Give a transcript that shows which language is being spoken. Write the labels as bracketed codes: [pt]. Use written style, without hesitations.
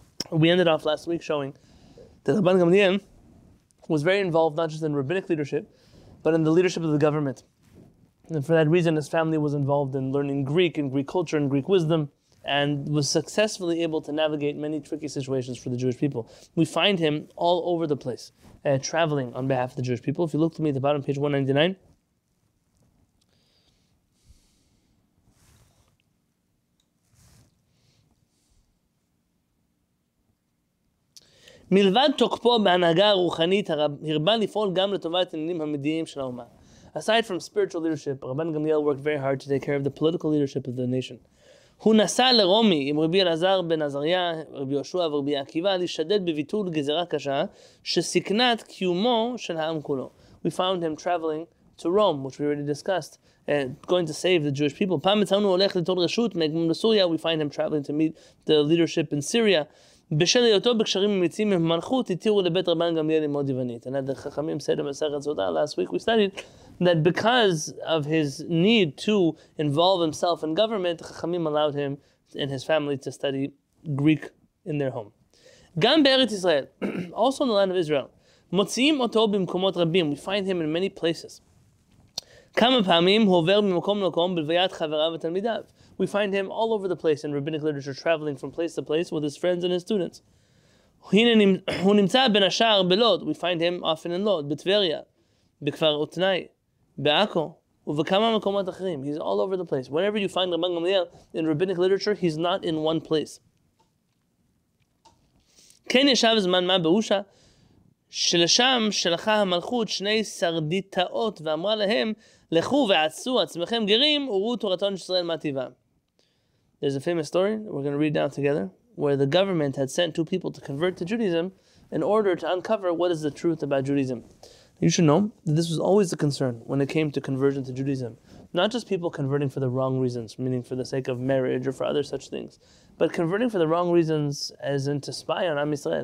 [en] We ended off last week showing that Rabban Gamliel was very involved not just in rabbinic leadership, but in the leadership of the government. And for that reason, his family was involved in learning Greek and Greek culture and Greek wisdom, and was successfully able to navigate many tricky situations for the Jewish people. We find him all over the place, traveling on behalf of the Jewish people. If you look to me at the bottom, page 199, [he] מלבד תוקפו בהנהגה הרוחנית, הרבה לפעול גם לטובת עניינים המדיניים של האומה. [en] Aside from spiritual leadership, Rabban Gamliel worked very hard to take care of the political leadership of the nation. [he] הוא נסע לרומי עם רבי אלעזר בן עזריה, רבי יהושע ורבי עקיבא, להשתדל בביטול גזרה קשה שסיכנה את קיומו של העם כולו. [en] We found him traveling to Rome, which we already discussed, going to save the Jewish people. [he] פעם מצאנו הולך לתור רשות, מגמום לסוריה, [en] we find him traveling to meet the leadership in Syria. [he] בשל היותו בקשרים אמיצים עם המלכות, התירו לבית רבן גמליאל ללמוד יוונית. [en] And the Chachamim said in Masechet Zotah, last week we studied, that because of his need to involve himself in government, the Chachamim allowed him and his family to study Greek in their home. [he] גם בארץ ישראל, [en] also in the land of Israel, [he] מוציאים אותו במקומות רבים. [en] We find him in many places. [he] כמה פעמים הוא עובר ממקום למקום בלוויית חבריו ותלמידיו. [en] We find him all over the place in rabbinic literature, traveling from place to place with his friends and his students. [he] הוא נמצא בין השאר בלוד. [en] We find him often in Lod, [he] בטבריה, בכפר אותנאי, בעכו, ובכמה מקומות אחרים. [en] He's all over the place. Whenever you find Rabban Gamliel in rabbinic literature, he's not in one place. [he] כן ישב זמן מה באושה, שלשם שלחה המלכות שני שרדיתאות ואמרה להם, לכו ועצו עצמכם גרים, וראו תורתון ישראל מהטיבה. [en] There's a famous story we're going to read now together where the government had sent two people to convert to Judaism in order to uncover what is the truth about Judaism. You should know that this was always a concern when it came to conversion to Judaism. Not just people converting for the wrong reasons, meaning for the sake of marriage or for other such things, but converting for the wrong reasons as in to spy on Am Yisrael.